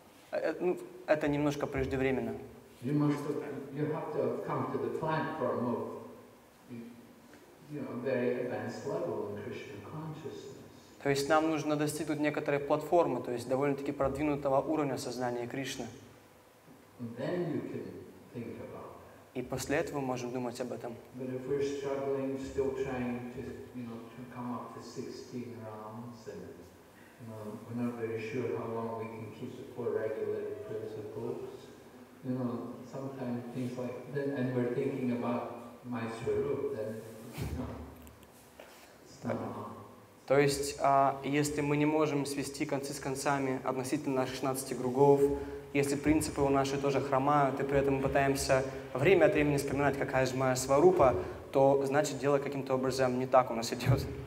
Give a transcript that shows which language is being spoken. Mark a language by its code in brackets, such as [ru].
[ru] Это немножко преждевременно. [en] You have to come to the plant for a move. You know, very advanced level in Krishna consciousness. [ru] То есть нам нужно достигнуть некоторой платформы, то есть довольно-таки продвинутого уровня сознания Кришны. [en] Then you can think about that. [ru] И после этого мы можем думать об этом. [en] But if we're struggling, still trying to, you know, to come up to 16 rounds and we're not very sure how long we can keep the four regulated principles. you know, sometimes things like that, and we're thinking about my Swarup, then, you know, [ru] то есть, если мы не можем свести концы с концами относительно наших 16 кругов, если принципы у наших тоже хромают, и при этом мы пытаемся время от времени вспоминать, какая же моя сварупа, то значит дело каким-то образом не так у нас идет.